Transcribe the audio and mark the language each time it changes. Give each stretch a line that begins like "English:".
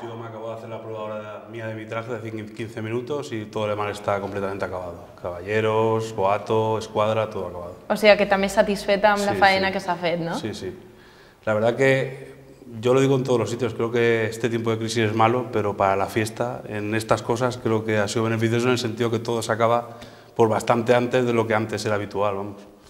Spanish: Yo me acabo de hacer la prueba ahora mía de mi traje de 15 minutos y todo el mal está completamente acabado. Caballeros, boato, escuadra, todo acabado. O sea que también
Catalan: satisfeta amb la faena que s'ha fet, ¿no?
Spanish: Sí, sí. La verdad que yo lo digo en todos los sitios, creo que este tiempo de crisis es malo, pero para la fiesta, en estas cosas, creo que ha sido beneficioso en el sentido que todo se acaba por bastante antes de lo que antes era habitual, vamos.